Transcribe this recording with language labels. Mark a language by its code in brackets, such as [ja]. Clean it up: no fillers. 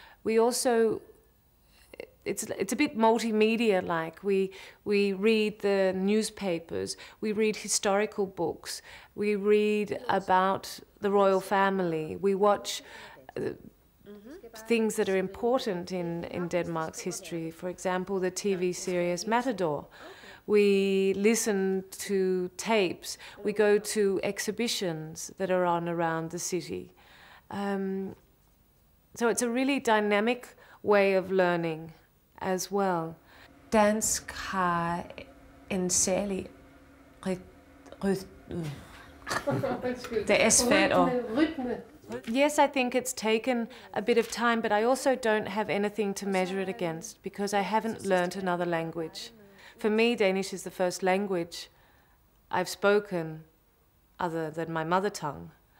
[en] We also, it's a bit multimedia, like we read the newspapers, we read historical books, we read about the royal family, we watch things that are important in Denmark's history, for example, the TV series Matador. We listen to tapes. We go to exhibitions that are on around the city. So it's a really dynamic way of learning as well. [da] Dansk har en særlig rytme. Det er svært at... [en] Yes, I think it's taken a bit of time, but I also don't have anything to measure it against, because I haven't learned another language. For me, Danish is the first language I've spoken other than my mother tongue.